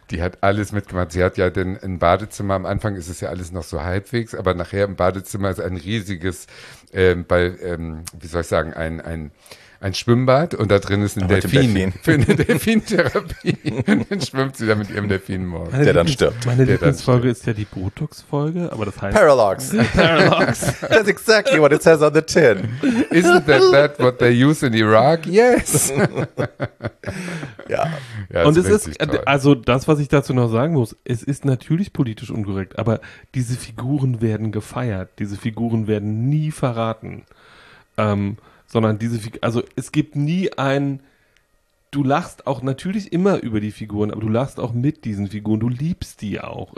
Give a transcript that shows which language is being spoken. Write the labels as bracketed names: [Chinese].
[German] Die hat alles mitgemacht, sie hat ja denn im Badezimmer, am Anfang ist es ja alles noch so halbwegs, aber nachher im Badezimmer ist ein riesiges, wie soll ich sagen, ein Schwimmbad und da drin ist ein Delfin. Für eine Delfintherapie. Dann schwimmt sie da mit ihrem Delfin morgen. Der dann stirbt. Meine Lieblingsfolge ist ja die Botox-Folge, aber das heißt Paralox. [English] That's exactly what it says on the tin. Isn't that what they use in Iraq? Yes. [German] Ja. Und es ist, also das, was ich dazu noch sagen muss, es ist natürlich politisch unkorrekt, aber diese Figuren werden gefeiert. Diese Figuren werden nie verraten. Sondern diese, also es gibt nie ein, du lachst auch natürlich immer über die Figuren, aber du lachst auch mit diesen Figuren, du liebst die auch.